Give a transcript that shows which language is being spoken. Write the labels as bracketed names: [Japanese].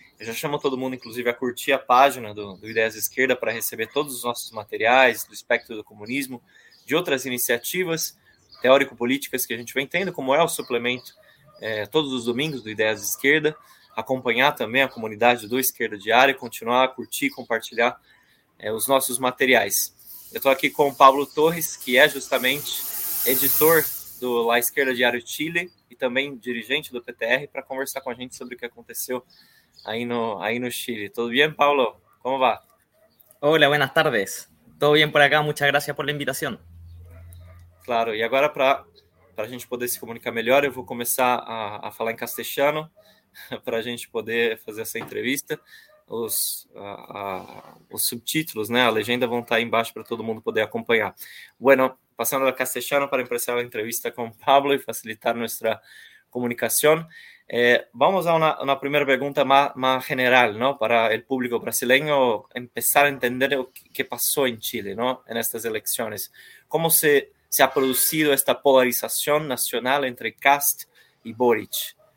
[Portuguese] Eu já chamo todo mundo, inclusive, a curtir a página do Ideias de Esquerda para receber todos os nossos materiais do Espectro do Comunismo, de outras iniciativas teórico-políticas que a gente vem tendo, como é o suplemento todos os domingos do Ideias de Esquerda, acompanhar também a comunidade do Esquerda Diário, continuar a curtir e compartilhar os nossos materiais. Eu estou aqui com o Pablo Torres, que é justamente editor do La Esquerda Diário Chile e também dirigente do PTR, para conversar com a gente sobre o que aconteceu aí no Chile. Tudo bem, Paulo? Como vai? [Spanish] Hola, buenas tardes. Todo bien por acá, muchas gracias por la invitación. [Portuguese] Claro, e agora para a gente poder se comunicar melhor, eu vou começar a falar em castelhano para a gente poder fazer essa entrevista. Os subtítulos, né? A legenda vão estar aí embaixo para todo mundo poder acompanhar. [Spanish] Bueno, passando a castellano para empezar a entrevista con Pablo y facilitar nuestra comunicación. Vamos a una primera pregunta más general, ¿no? Para el público brasileño empezar a entender qué pasó en Chile, ¿no? En estas elecciones. ¿Cómo se ha producido esta polarización nacional entre Kast y Boric?